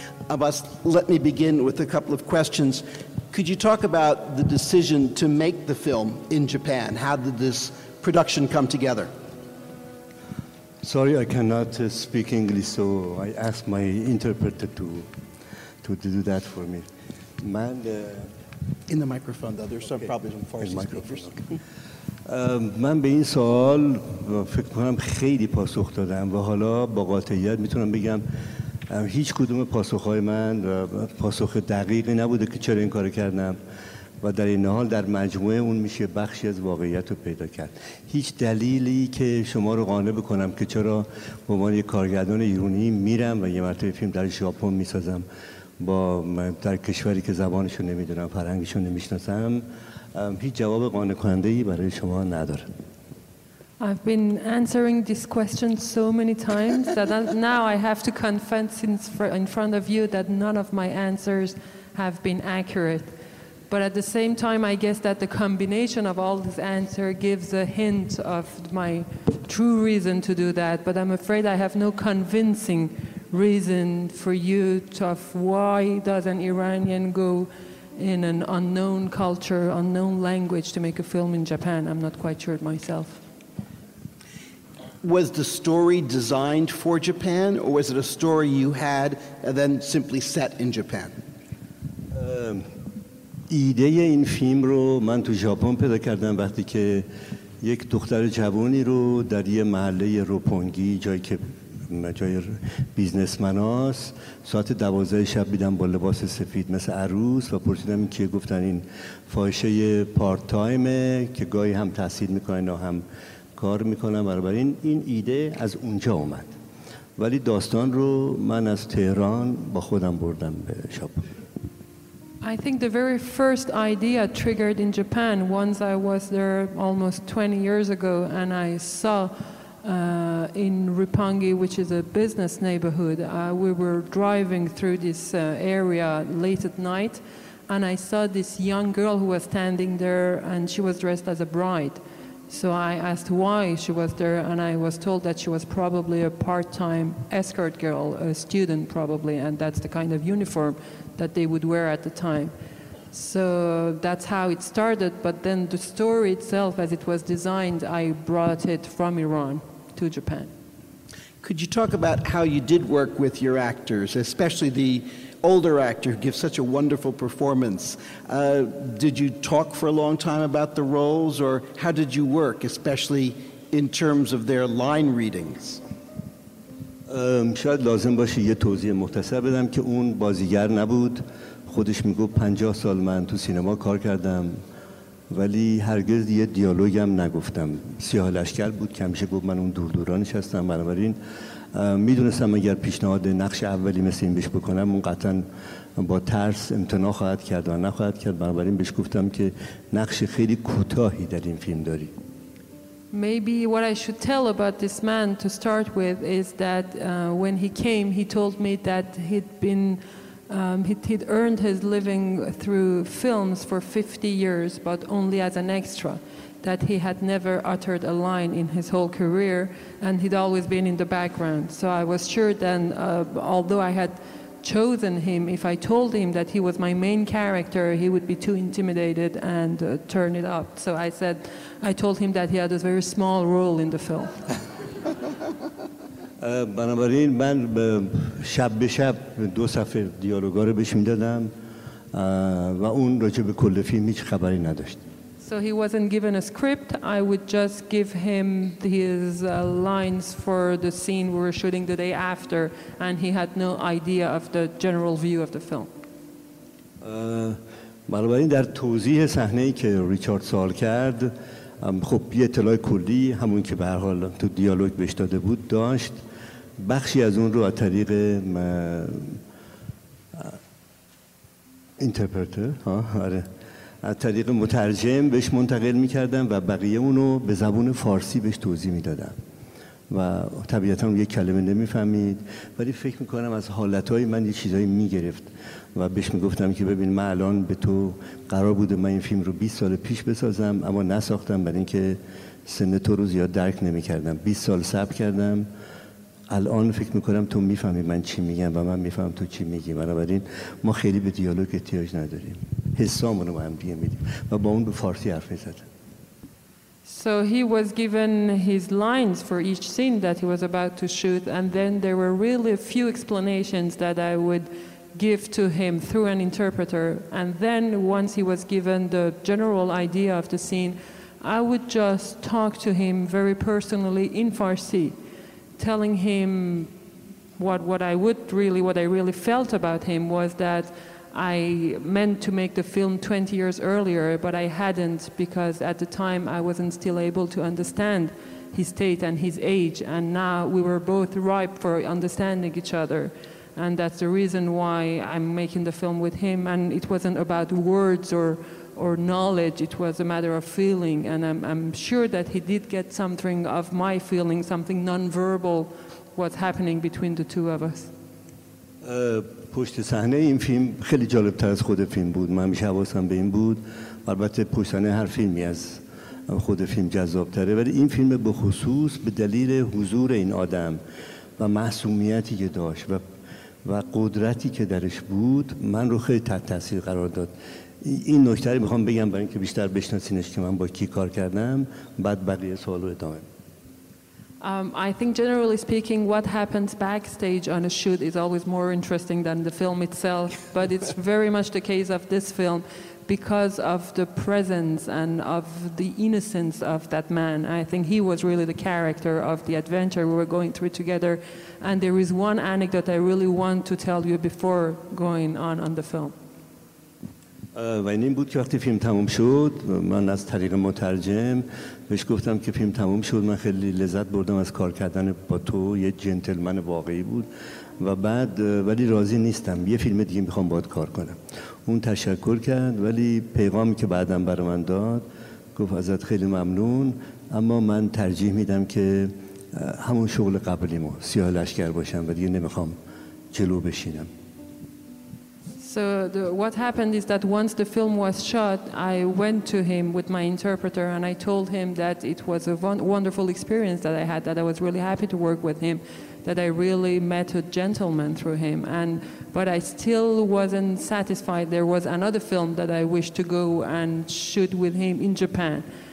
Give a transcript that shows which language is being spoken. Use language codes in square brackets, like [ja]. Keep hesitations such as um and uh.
[en] Abbas, let me begin with a couple of questions. Could you talk about the decision to make the film in Japan? How did this production come together? Sorry, I cannot uh, speak English, so I asked my interpreter to, to do that for me. Man, In the microphone, though, there's some problems in [fa] این [en] Farsi microphone. speakers. [fa] اه، من به این سوال فکر کنم خیلی پاسخ دادم و حالا با قاطعیت میتونم بگم اه، هیچ کدوم پاسخهای من اه، پاسخ دقیقی نبوده که چرا این کار کردم و در این حال در مجموعه اون میشه بخشی از واقعیت رو پیدا کرد هیچ دلیلی که شما رو قانع بکنم که چرا به عنوان یک کارگردان ایرانی میرم و یه مرتبه فیلم در ژاپن میسازم با در کشوری که زبانشو نمیدونم فرهنگشو نمیشناسم ام، هیچ جواب قانع کننده ای برای شما نداره [en] I've been answering this question so many times that I- now I have to confess in fr- in front of you that none of my answers have been accurate. But at the same time, I guess that the combination of all these answers gives a hint of my true reason to do that. But I'm afraid I have no convincing reason for you to, of why does an Iranian go in an unknown culture, unknown language to make a film in Japan. I'm not quite sure myself. Was the story designed for Japan, or was it a story you had and then simply set in Japan? [fa] ام، ایده این فیلم رو من تو ژاپن پیدا کردم وقتی که یک دختر جوانی رو در یه محله روپونگی جایی که جای بیزنسمن هاست ساعت دوازده شب دیدم با لباس سفید مثل عروس و پرسیدم این کیه گفتن این فاحشه پارت تایمه که گاهی هم تحصیل میکنن و هم کار میکنن بنابراین این ایده از اونجا اومد ولی داستان رو من از تهران با خودم بردم به ژاپن [en] I think the very first idea triggered in Japan once I was there almost 20 years ago and I saw uh, in Roppongi, which is a business neighborhood, uh, we were driving through this uh, area late at night and I saw this young girl who was standing there and she was dressed as a bride. So I asked why she was there, and I was told that she was probably a part time escort girl, a student probably, and that's the kind of uniform that they would wear at the time. So that's how it started, but then the story itself, as it was designed, I brought it from Iran to Japan. Could you talk about how you did work with your actors, especially the older actor who gives such a wonderful performance? Uh, did you talk for a long time about the roles, or how did you work, especially in terms of their line readings? [fa] ام، شاید لازم باشه یه توضیح مختصر بدم که اون بازیگر نبود خودش میگو پنجاه سال من تو سینما کار کردم ولی هرگز یه دیالوگ هم نگفتم سیاه لشکر بود که همیشه گفت من اون دور دوران نشستم بنابراین ام، میدونستم اگر پیشنهاد نقش اولی مثل این بهش بکنم اون قطعا با ترس امتناع خواهد کرد و نخواهد کرد بنابراین بهش گفتم که نقش خیلی کوتاهی در این فیلم داری [en] Maybe what I should tell about this man to start with is that uh, when he came, he told me that he'd been. Um, he'd, he'd earned his living through films for 50 years, but only as an extra. That he had never uttered a line in his whole career, and he'd always been in the background. So I was sure then, uh, although I had chosen him, if I told him that he was my main character, he would be too intimidated and uh, turn it up. So I said, I told him that he had a very small role in the film. [fa] بنابراین من به- شب به شب دو صفحه دیالوگا رو بهش میدادم اه، و اون راجع به کل فیلم هیچ خبری نداشت [en] So he wasn't given a script. I would just give him his uh, lines for the scene we were shooting the day after, and he had no idea of the general view of the film. [fa] اه، بنابراین در توضیح صحنه ای که ریچارد سوال کرد ام، خب یه اطلاع کلی همون که به هر حال تو دیالوگ بهش داده بود داشت بخشی از اون رو از طریق اینترپرتر آره از طریق مترجم بهش منتقل میکردم و بقیه اونو به زبون فارسی بهش توضیح میدادم و طبیعتا اون یک کلمه نمیفهمید ولی فکر میکنم از حالتهای من یه چیزایی میگرفت و بهش میگفتم که ببین من الان به تو قرار بوده من این فیلم رو 20 سال پیش بسازم اما نساختم برای اینکه سن تو رو زیاد درک نمیکردم 20 سال صبر کردم الان فکر میکنم تو میفهمی من چی میگم و من میفهم تو چی میگی بنابراین ما خیلی به دیالوگ احتیاج نداریم حسامون رو با هم دیگه میدیم و با اون به فارسی حرف میزدم [en] So he was given his lines for each scene that he was about to shoot, and then there were really a few explanations that I would give to him through an interpreter. And then once he was given the general idea of the scene, I would just talk to him very personally in Farsi, telling him what, what I would really, what I really felt about him was that I meant to make the film 20 years earlier, but I hadn't because at the time I wasn't still able to understand his state and his age, and now we were both ripe for understanding each other. And that's the reason why I'm making the film with him. And it wasn't about words or, or knowledge, it was a matter of feeling. And I'm, I'm sure that he did get something of my feeling, something nonverbal, what's happening between the two of us. [fa] پشت صحنه این فیلم خیلی جالب تر از خود فیلم بود من همیشه حواسم به این بود البته پشت صحنه هر فیلمی از خود فیلم جذاب تره ولی این فیلم به خصوص به دلیل حضور این آدم و معصومیتی که داشت و و قدرتی که درش بود من رو خیلی تحت تاثیر قرار داد این نکته رو میخوام بگم برای اینکه بیشتر بشناسینش که من با کی کار کردم بعد بقیه سوال رو ادامه [en] Um, I think, generally speaking, what happens backstage on a shoot is always more interesting than the film itself, but it's very much the case of this film because of the presence and of the innocence of that man. I think he was really the character of the adventure we were going through together. And there is one anecdote I really want to tell you before going on on the film. [fa] و این, این بود که وقتی فیلم تموم شد من از طریق مترجم بهش گفتم که فیلم تموم شد من خیلی لذت بردم از کار کردن با تو یه جنتلمن واقعی بود و بعد ولی راضی نیستم یه فیلم دیگه میخوام باید کار کنم اون تشکر کرد ولی پیغامی که بعدم برای من داد گفت ازت خیلی ممنون اما من ترجیح میدم که همون شغل قبلیمو سیاه لشکر باشم و دیگه نمیخوام جلو بشینم [en] So the, what happened is that once the film was shot, I went to him with my interpreter and I told him that it was a won- wonderful experience that I had, that I was really happy to work with him, that I really met a gentleman through him. And but I still wasn't satisfied. There was another film that I wished to go and shoot with him in Japan.